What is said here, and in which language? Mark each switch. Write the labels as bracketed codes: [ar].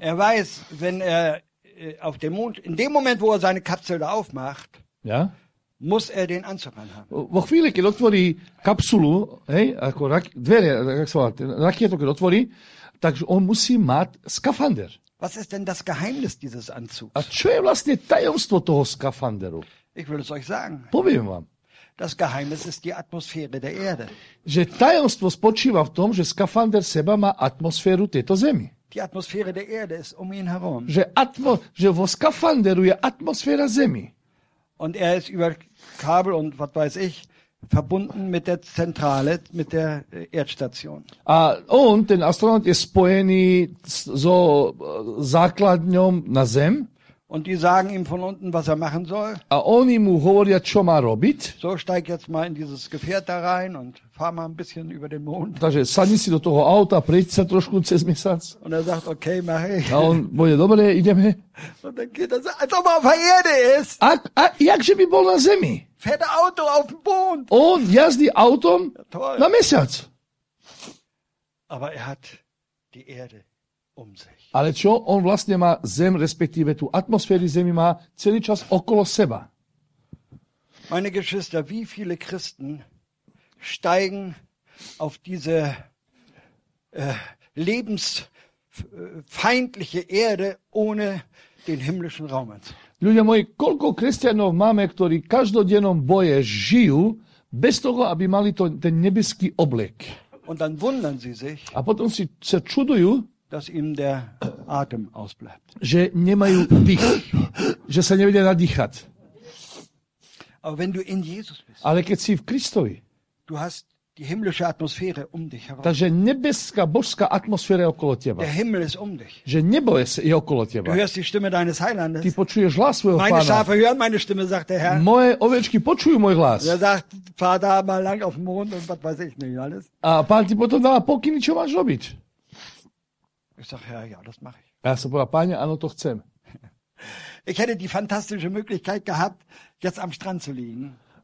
[de] Er weiß, wenn er auf dem Mond, in dem Moment, wo er seine Kapsel da aufmacht, ja? Muss er den Anzug anhaben. [sk] Vo chvíli, keď otvorí kapsulu, hej, ako dvere, rakietu, keď otvorí, takže on musí mať skafander. [de] Was ist denn das Geheimnis dieses Anzugs? [sk] A čo je vlastne tajomstvo toho skafanderu? [de] Ich will es euch sagen. [sk] Poviem vám. [de] Das Geheimnis ist die Atmosphäre der Erde. [sk] Že tajomstvo spočíva v tom, že skafander seba má atmosféru tejto zemi. [de] Die Atmosphäre der Erde ist um ihn herum. [sk] Že vo skafanderu je atmosféra zemi. [de] Und er ist über Kabel und was weiß ich verbunden mit der Zentrale, mit der Erdstation. [sk] A on, ten astronaut, je spojený so základňom na Zem. [de] Und die sagen ihm von unten, was er machen soll. [sk] A oni mu hovoria, čo má robiť. [de] So steig jetzt mal in dieses Gefährt da rein und fahr mal ein bisschen über den Mond. [sk] Takže sadni si do toho auta, prejď sa trošku cez mesiac. [de] Und er sagt, okay, mach ich. [sk] A on bude, dobre, ideme. [de] Und dann geht er, als ob er auf der Erde ist. [sk] A jakže by bol na Zemi? [de] Fährt Auto auf den Mond. [sk] On jazdí autom, ja, na mesiac. [de] Aber er hat die Erde um sich. [sk] Ale čo? On vlastne má Zem, respektíve tú atmosféru Zemi má celý čas okolo seba. [de] Meine Geschwister, wie viele Christen steigen auf diese lebensfeindliche Erde ohne den himmlischen Raumanzug? [sk] Ľudia moji, koľko kresťanov máme, ktorí každodennom boje žijú bez toho, aby mali ten nebeský oblek? [de] Und dann wundern sie sich. [sk] A potom si sa čudujú, [de] dass ihm der Atem ausbleibt. [sk] Že nemajú dých, že sa nevedia nadýchať. [de] Aber wenn du in Jesus bist. [sk] Ale keď si v Kristovi. [de] Du hast die himmlische Atmosphäre um dich herum. [sk] Takže nebeská, božská atmosféra je okolo teba. [de] Der Himmel ist um dich. [sk] Že nebo je okolo teba. [de] Du hörst die Stimme deines Heilandes. [sk] Ty počuješ hlas svojho Pána. [de] Meine Schafe hören meine Stimme, sagt der Herr. [sk] Moje ovečky počujú môj hlas. [de] Er sagt, fahr da mal lang auf dem Mond und was weiß ich nicht alles. [sk] A Pán ti potom dáva pokyny, čo máš robiť. [de] Ich sag, ja, ja, das mach ich. [sk] Ja, som povedal, páne, áno, to chcem. [de] Ich hätte die fantastische Möglichkeit gehabt, jetzt am Strand zu liegen.